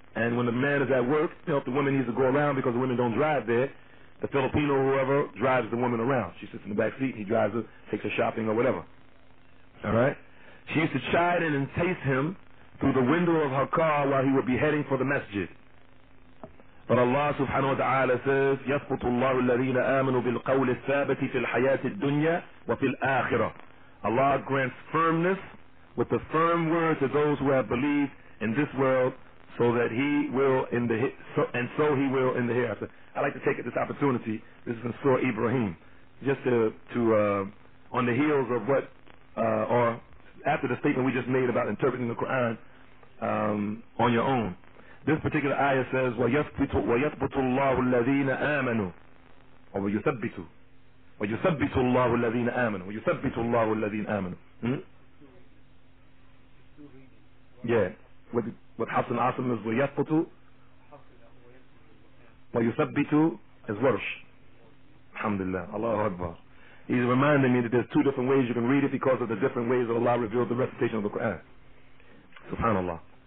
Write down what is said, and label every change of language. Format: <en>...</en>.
<en>And when the man is at work, you know, if the woman needs to go around because the women don't drive there, the Filipino or whoever drives the woman around. She sits in the back seat, he drives her, takes her shopping or whatever. All right? She used to chide and entice him through the window of her car while he would be heading for the masjid. But Allah subhanahu wa ta'ala says,</en> <ar>يَثْبُتُ اللَّهُ الَّذِينَ آمَنُوا بِالْقَوْلِ الثَّابَتِ فِي الْحَيَاةِ الدُّنْيَا وَفِي الْآخِرَةِ.</ar> <en>Allah grants firmness with the firm word to those who have believed in this world, so that he will in the hereafter. I'd like to take this opportunity, this is in Surah Ibrahim, just to on the heels of what, or after the statement we just made about interpreting the Quran on your own. This particular ayah says,</en> <ar>وَيَثْبِتُ اللَّهُ الَّذِينَ آمَنُوا وَيُثَبِّتُ اللَّهُ الَّذِينَ آمَنُوا وَيُثَبِّتُ اللَّهُ الَّذِينَ آمَنُوا.</ar> <en>Yeah. What Hassan Asim is</en> <ar>وَيَثْبِتُ وَيُثَبِّتُ</ar> <en>is وَرْش. Alhamdulillah. Allahu Akbar. He's reminding me that there's two different ways you can read it because of the different ways that Allah revealed the recitation of the Quran. Subhanallah.</en>